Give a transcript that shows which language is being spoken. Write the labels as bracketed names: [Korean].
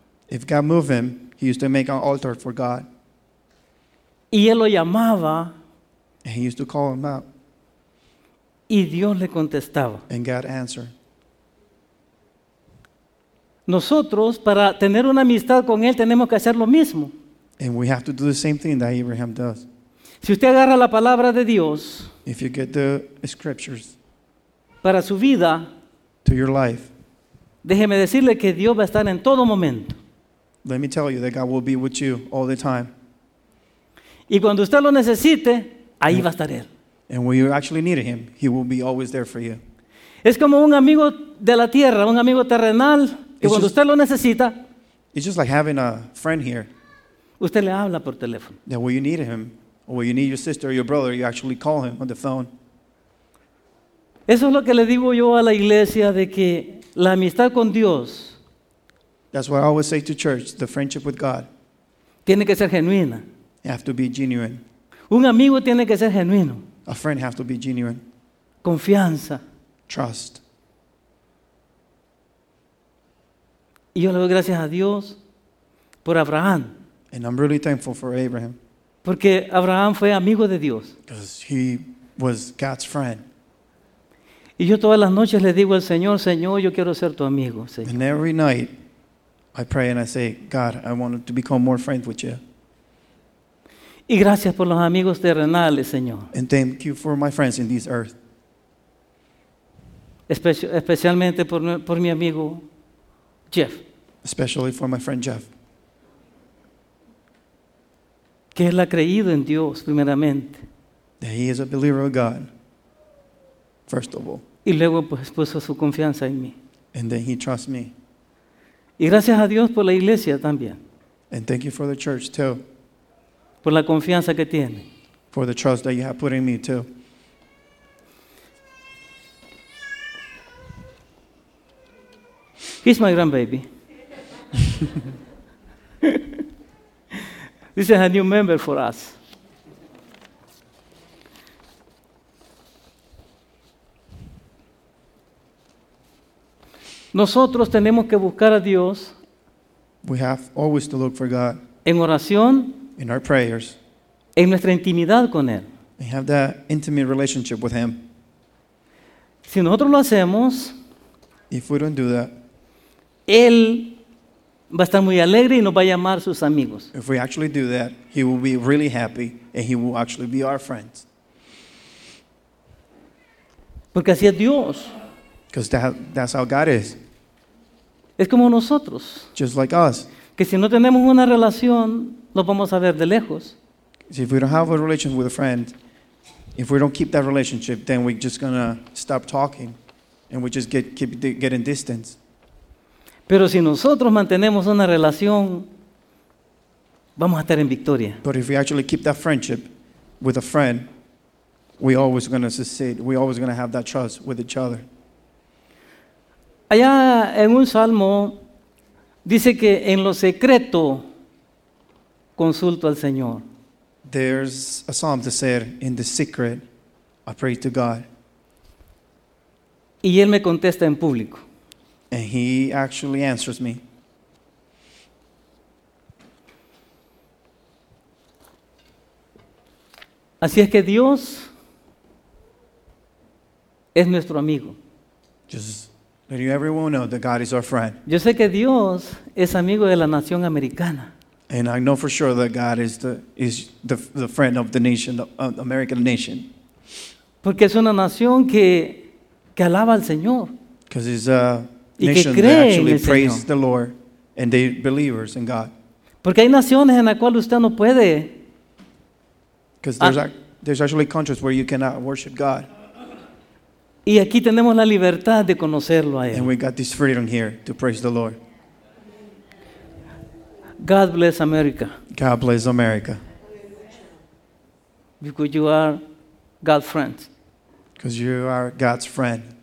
[English] If God moved him, he used to make an altar for God. [Spanish] Y él lo llamaba. [English] And he used to call him out. [Spanish] Y Dios le contestaba. [English] And God answered. [Spanish] Nosotros, para tener una amistad con él, tenemos que hacer lo mismo. [English] And we have to do the same thing that Abraham does. [Spanish] Si usted agarra la palabra de Dios, [English] if you get the scriptures, [Spanish] para su vida, [English] to your life, [Spanish] déjeme decirle que Dios va a estar en todo momento. [English] Let me tell you that God will be with you all the time. [Spanish] Y cuando usted lo necesite, ahí va a estar él. [English] And when you actually need him, he will be always there for you. [Spanish] Es como un amigo de la tierra, un amigo terrenal, y cuando usted lo necesita, [English] it's just like having a friend here. [Spanish] Usted le habla por teléfono. [English] That when you need him, or when you need your sister or your brother, you actually call him on the phone. [Spanish] Eso es lo que le digo yo a la iglesia, de que la amistad con Dios, [English] that's what I always say to church, the friendship with God, [Spanish] tiene que ser genuina. [English] You have to be genuine. [Spanish] Un amigo tiene que ser genuino. [English] A friend has to be genuine. [Spanish] Confianza. [English] Trust. [Spanish] Y yo le doy gracias a Dios por Abraham. [English] And I'm really thankful for Abraham. [Spanish] Porque Abraham fue amigo de Dios. [English] Because he was God's friend. [Spanish] Y yo todas las noches le digo al Señor, Señor, yo quiero ser tu amigo, Señor. [English] And every night I pray and I say, God, I want to become more friends with you. [Spanish] Y gracias por los amigos terrenales, Señor. [English] And thank you for my friends in this earth. [Spanish] Especialmente por mi amigo Jeff. [English] Especially for my friend Jeff. [Spanish] Que él ha creído en Dios primeramente. [English] That he is a believer of God, first of all. [Spanish] Y luego pues puso su confianza en mí. [English] And then he trusts me. [Spanish] Y gracias a Dios por la iglesia también. [English] And thank you for the church too. [Spanish] Por la confianza que tiene. [English] For the trust that you have put in me too. He's my grandbaby. This is a new member for us. [Spanish] Nosotros tenemos que buscar a Dios. [English] We have always to look for God. [Spanish] En oración. [English] In our prayers. [Spanish] En nuestra intimidad con él. [English] We have that intimate relationship with him. [Spanish] Si nosotros lo hacemos, [English] if we don't do that, [Spanish] él va a estar muy alegre y nos va a llamar sus amigos. [English] If we actually do that, he will be really happy and he will actually be our friends. [Spanish] Porque así es Dios. [English] Because that's how God is. [Spanish] Es como nosotros. [English] Just like us. [Spanish] Que si no tenemos una relación, lo vamos a ver de lejos. [English] See, if we don't have a relationship with a friend, if we don't keep that relationship, then we're just going to stop talking and we just keep getting distance. [Spanish] Pero si nosotros mantenemos una relación, vamos a estar en victoria. [English] But if we actually keep that friendship with a friend, we're always going to succeed. We're always going to have that trust with each other. [Spanish] Allá en un salmo dice que en lo secreto consulto al Señor. [English] There's a psalm that said, in the secret, I pray to God. [Spanish] Y él me contesta en público. [English] And he actually answers me. [Spanish] Así es que Dios es nuestro amigo. [English] Just let everyone know that God is our friend. [Spanish] Yo sé que Dios es amigo de la nación americana. [English] And I know for sure that God is the friend of the nation, the American nation. [Spanish] Porque es una nación que alaba al Señor. [English] Because it's a nation that actually praises the Lord and they believers in God. [Spanish] Porque hay naciones en la cual usted no puede. [English] Because there's actually countries where you cannot worship God. [Spanish] Y aquí tenemos la libertad de conocerlo a él. [English] And we got this freedom here to praise the Lord. God bless America. God bless America. Because you are God's friend. Because you are God's friend.